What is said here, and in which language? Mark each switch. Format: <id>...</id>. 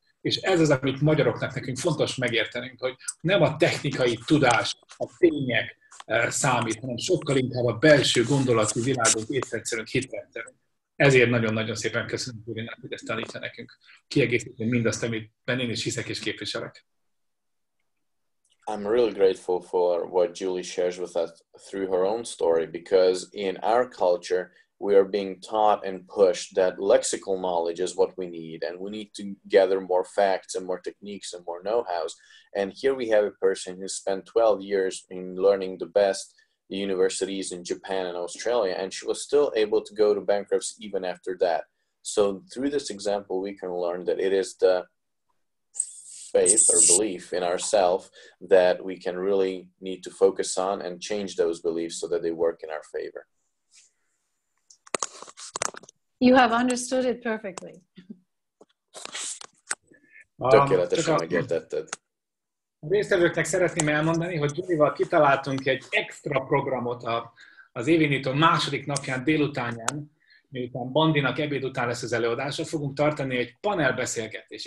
<hu>És ez az, amit magyaroknak nekünk fontos megértenünk, hogy nem a technikai tudás, a tények számít, hanem sokkal inkább a belső gondolati világot észrevesszük, hitrendszerünk. Ezért nagyon-nagyon szépen köszönöm, Gyurinak, hogy ezt tanítja nekünk. Kiegészítve mindazt, amit én is hiszek és képviselek.</hu> <en>I'm really grateful for what Julie shares with us through her own story, because in our culture we are being taught and pushed that lexical knowledge is what we need, and we need to gather more facts and more techniques and more know-hows. And here we have a person who spent 12 years in learning the best universities in Japan and Australia, and she was still able to go to bankruptcy even after that. So through this example, we can learn that it is the faith or belief in ourselves that we can really need to focus on and change those beliefs so that they work in our favor. You have understood it perfectly.</en> <hu>Tökéletesen megértetted. A résztvevőknek szeretném elmondani, hogy Julie-val kitaláltunk egy extra programot az évinyitó második napján délutánján, miután Bandinak ebéd után lesz az előadása, fogunk tartani egy panelbeszélgetést.</hu>